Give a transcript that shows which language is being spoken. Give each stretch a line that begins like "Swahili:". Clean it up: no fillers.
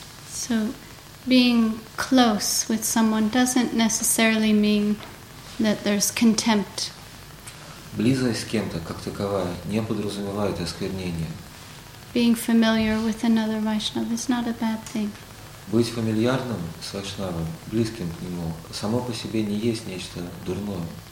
English: So being close with someone doesn't necessarily mean that there's contempt.
Russian: Близость с кем-то как таковая не подразумевает осквернение.
English: Being familiar with another Vaishnava is not a bad thing.
Russian: Быть фамильярным с вайшнавом, близким к нему, само по себе не есть нечто дурное.